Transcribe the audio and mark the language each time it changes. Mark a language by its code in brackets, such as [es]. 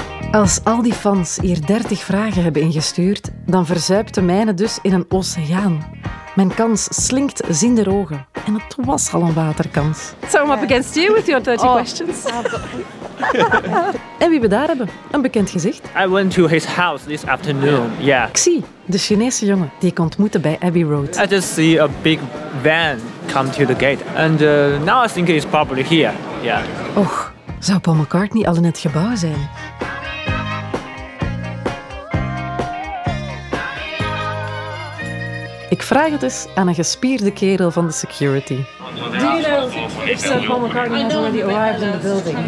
[nl] Als al die fans hier 30 vragen hebben ingestuurd, dan verzuipt de mijne dus in een oceaan. Mijn kans slinkt ziende ogen. En het was al een waterkans. [en] So I'm up against you with your 30 questions. [nl] En wie we daar hebben, een bekend gezicht. [en] I went to his house this afternoon, yeah. [nl] Xi, de Chinese jongen die ik ontmoette bij Abbey Road. [en] I just see a big van come to the gate. And now I think it's probably here, yeah. [nl] Och, zou Paul McCartney al in het gebouw zijn? Ik vraag het eens aan een gespierde kerel van de security. [en] Do you know if Sir Paul McCartney has already arrived in the building?